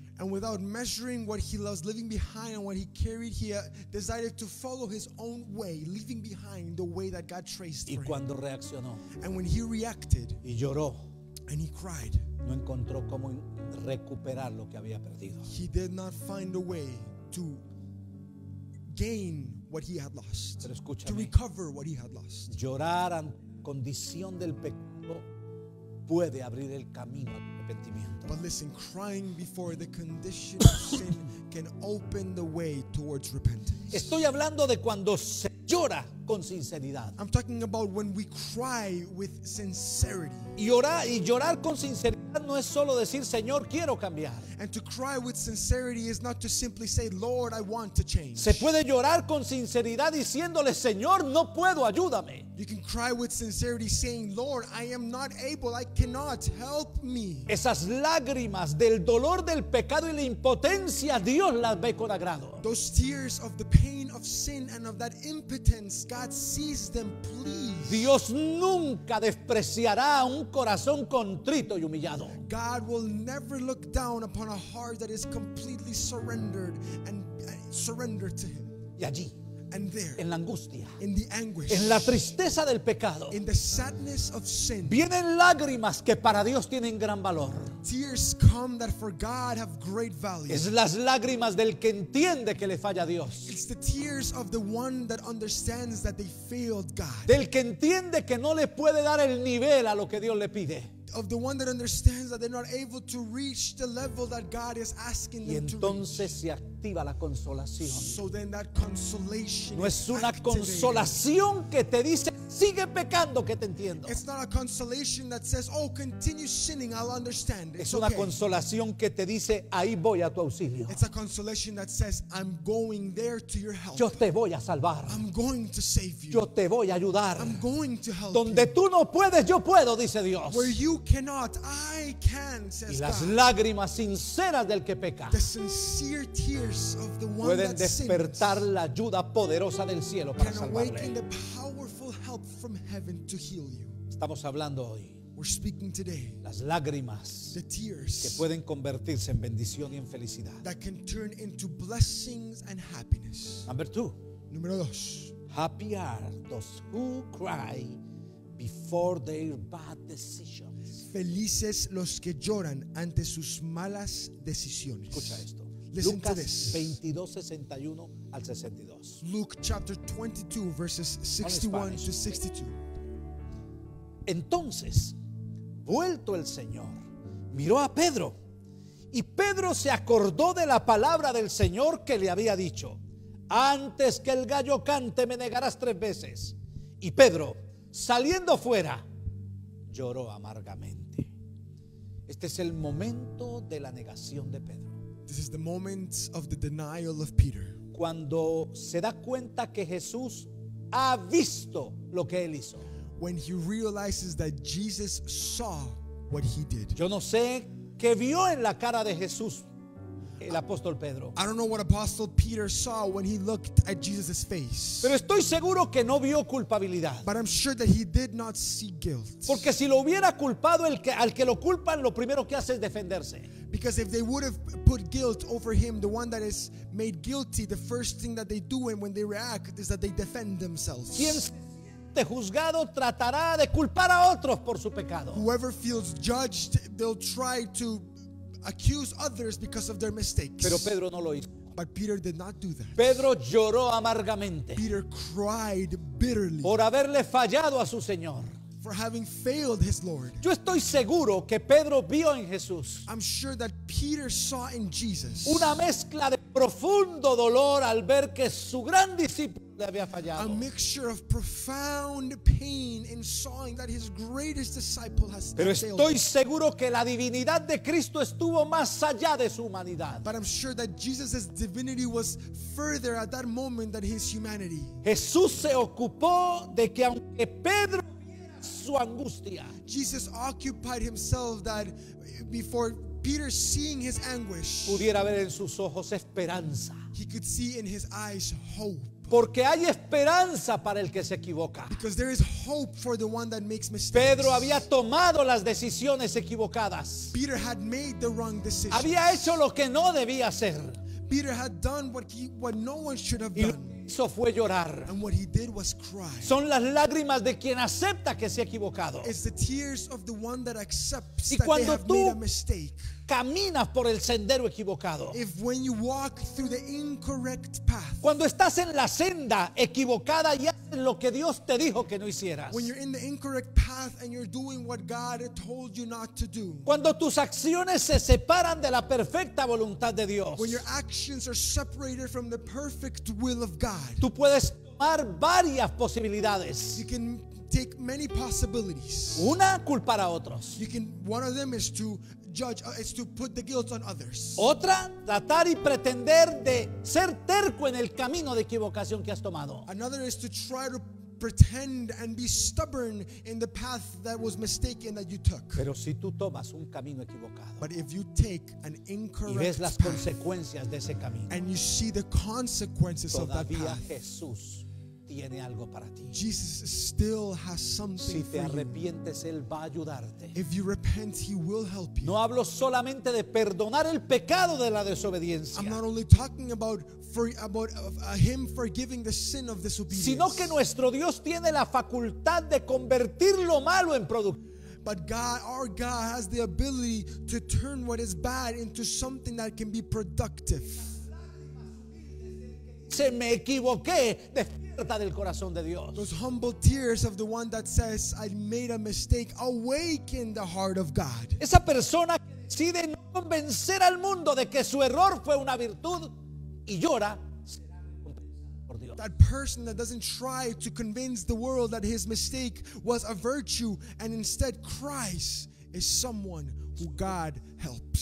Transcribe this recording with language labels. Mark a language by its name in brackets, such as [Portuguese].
[English] And without measuring what he loves, leaving behind and what he carried, he decided to follow his own way, leaving behind the way that God traced for him. [Spanish] Y cuando reaccionó, [English] and when he reacted, [Spanish] y lloró, [English] and he cried, [Spanish] no encontró cómo recuperar lo que había perdido. [English] He did not find a way to gain what he had lost, [Spanish] pero escúchame, [English] to recover what he had lost. [Spanish] Llorar en condición del pecado puede abrir el camino. [English] But listen, crying before the condition of sin can open the way towards repentance. [Spanish] Estoy hablando de cuando se llora con sinceridad. [English] I'm talking about when we cry with sincerity. [Spanish] Y orar y llorar con sinceridad no es solo decir, Señor, quiero cambiar. [English] And to cry with sincerity is not to simply say, Lord, I want to change. [Spanish] Se puede llorar con sinceridad diciéndole, Señor, no puedo, ayúdame. [English] You can cry with sincerity saying, Lord, I am not able, I cannot, help me. [Spanish] Esas lágrimas del dolor del pecado y la impotencia, Dios las ve con agrado. [English] Those tears of the pain of sin and of that impotence, God sees them, please. [Spanish] Dios nunca despreciará a un corazón contrito y humillado. [English] God will never look down upon a heart that is completely surrendered and surrendered to him. [Spanish] Y allí, [English] and there, [Spanish] en la angustia, [English] in the anguish, [Spanish] en la tristeza del pecado, [English] in the sadness of sin, [Spanish] vienen lágrimas que para Dios tienen gran valor. [English] Tears come that for God have great value. [Spanish] Es las lágrimas del que entiende que le falla a Dios. [English] It's the tears of the one that understands that they failed God. [Spanish] Del que entiende que no le puede dar el nivel a lo que Dios le pide. [English] Of the one that understands that they're not able to reach the level that God is asking them to reach. [Spanish] Se activa la consolación. [English] So then that consolation [Spanish] no [English] is [Spanish] una [English] activated. [Spanish] Consolación que te dice, sigue pecando, que te entiendo. [English] It's not a consolation that says, oh, continue sinning, I'll understand. It's [Spanish] es una [English] okay. [Spanish] Consolación que te dice, ahí voy a tu auxilio. [English] It's a consolation that says, I'm going there to your help. [Spanish] Yo te voy a salvar. [English] I'm going to save you. [Spanish] Yo te voy a ayudar. [English] I'm going to help. [Spanish] Donde [English] you. [Spanish] Tú no puedes, yo puedo, dice Dios. [English] Where you cannot, I can, says [Spanish] y las [English] God. [Spanish] Lágrimas sinceras del que peca [English] the sincere tears of the one [Spanish] pueden [English] that [Spanish] despertar [English] sins [Spanish] la ayuda poderosa del cielo para [English] can [Spanish] salvarle. [English] Awaken the powerful help from heaven to heal you. [Spanish] Estamos hablando hoy [English] we're speaking today [Spanish] las lágrimas [English] the tears [Spanish] que pueden convertirse en bendición y en felicidad [English] that can turn into blessings and happiness. Number two. [Spanish] Número dos. [English] Happy are those who cry before their bad decisions. [Spanish] Felices los que lloran ante sus malas decisiones. Escucha esto. [English] Listen [Spanish] Lucas 22:61-62. [English] Luke chapter 22 verses 61-62. [Spanish] Entonces, vuelto el Señor, miró a Pedro, y Pedro se acordó de la palabra del Señor que le había dicho: antes que el gallo cante me negarás tres veces. Y Pedro, saliendo fuera, lloró amargamente. Este es el momento de la negación de Pedro. [English] This is the moment of the denial of Peter. [Spanish] Cuando se da cuenta que Jesús ha visto lo que él hizo. [English] When he realizes that Jesus saw what he did. [Spanish] Yo no sé qué vio en la cara de Jesús el apóstol Pedro. [English] I don't know what apostle Peter saw when he looked at Jesus' face. [Spanish] Pero estoy seguro que no vio culpabilidad. [English] But I'm sure that he did not see guilt. [Spanish] Porque si lo hubiera culpado el que al que lo culpan lo primero que hace es defenderse. [English] Because if they would have put guilt over him, the one that is made guilty, the first thing that they do when they react is that they defend themselves. [Spanish] ¿Quién esté juzgado tratará de culpar a otros por su pecado? [English] Whoever feels judged, they'll try to accuse others because of their mistakes. [Spanish] Pero Pedro no lo hizo. [English] But Peter did not do that. [Spanish] Pedro lloró amargamente. [English] Peter cried bitterly. [Spanish] Por haberle fallado a su Señor. [English] for having failed his Lord. [Spanish] Yo estoy seguro que Pedro vio en Jesús. [English] I'm sure that Peter saw in Jesus. [Spanish] Una mezcla de profundo dolor al ver que su gran discípulo le había fallado. [English] A mixture of profound pain in sawing that his greatest disciple has failed. [Spanish] Pero estoy seguro que la divinidad de Cristo estuvo más allá de su humanidad. [English] But I'm sure that Jesus' divinity was further at that moment than his humanity. [Spanish] Jesús se ocupó de que aunque Pedro su angustia. [English] Jesus occupied himself that before Peter seeing his anguish, [Spanish] pudiera ver en sus ojos esperanza. [English] He could see in his eyes hope. [Spanish] Porque hay esperanza para el que se equivoca. [English] Because there is hope for the one that makes mistakes. [Spanish] Pedro había tomado las decisiones equivocadas. [English] Peter had made the wrong decisions. [Spanish] Había hecho lo que no debía hacer. [English] Peter had done what no one should have done. [Spanish] Eso fue llorar. [English] And what he did was cry. [Spanish] Son las lágrimas de quien acepta que se ha equivocado. [English] It's the tears of the one that accepts [Spanish] y cuando [English] that they have made a mistake. [Spanish] Caminas por el sendero equivocado. [English] If when you walk through the incorrect path. [Spanish] Cuando estás en la senda equivocada y haces lo que Dios te dijo que no hicieras. [English] When you're in the incorrect path and you're doing what God told you not to do. [Spanish] Cuando tus acciones se separan de la perfecta voluntad de Dios. [English] When your actions are separated from the perfect will of God. [Spanish] Tú puedes tomar varias posibilidades. [English] You can take many possibilities. [Spanish] Una, culpar a otros. [English] You can, one of them is to judge, it's to put the guilt on others. [Spanish] Otra, tratar y pretender de ser terco en el camino de equivocación que has tomado. [English] Another is to try to pretend and be stubborn in the path that was mistaken that you took. [Spanish] Pero si tú tomas un camino equivocado, [English] but if you take an incorrect [Spanish] y ves las consecuencias de ese camino, [English] and you see the consequences of that path, [Spanish] todavía Jesús tiene algo para ti. [English] Jesus still has something [Spanish] si te arrepientes, Él va a ayudarte. [English] If you repent, He will help you. [Spanish] No hablo solamente de perdonar el pecado de la desobediencia. [English] I'm not only talking about Him forgiving the sin of disobedience. [Spanish] Sino que nuestro Dios tiene la facultad de convertir lo malo en productivo. [English] But God, our God, has the ability to turn what is bad into something that can be productive. [Spanish] Se me equivoqué. Del corazón de Dios. [English] Those humble tears of the one that says, I made a mistake, awaken the heart of God. [Spanish] Esa persona que decide no convencer al mundo de que su error fue una virtud y llora será recompensada por Dios. [English] That person that doesn't try to convince the world that his mistake was a virtue and instead cries is someone who God helps.